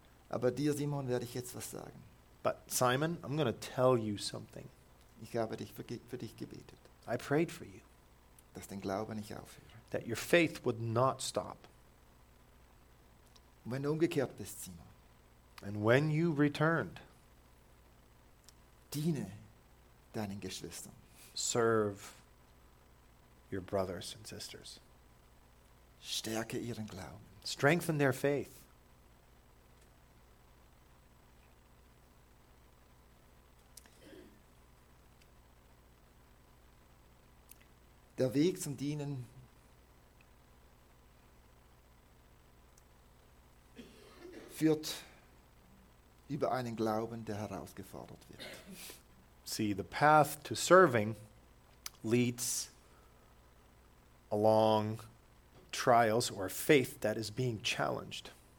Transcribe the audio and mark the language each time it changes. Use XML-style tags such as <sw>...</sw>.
<de>Aber dir, Simon, werde ich jetzt was sagen.</de> <en>But Simon, I'm going to tell you something.</en> <de>Ich habe dich für dich gebetet.</de> <en>I prayed for you.</en> <de>Dass dein Glaube nicht aufhöre.</de> <en>That your faith would not stop.</en> <de>Wenn du umgekehrt bist, Simon.</de> <en>And when you returned.</en> <de>Diene deinen Geschwistern.</de> <en>Serve your brothers and sisters.</en> <de>Stärke ihren Glauben.</de> <en>Strengthen their faith.</en> <de>Der Weg zum Dienen führt über einen Glauben, der herausgefordert wird.</de> <en>See, the path to serving leads along trials or faith that is being challenged.</en>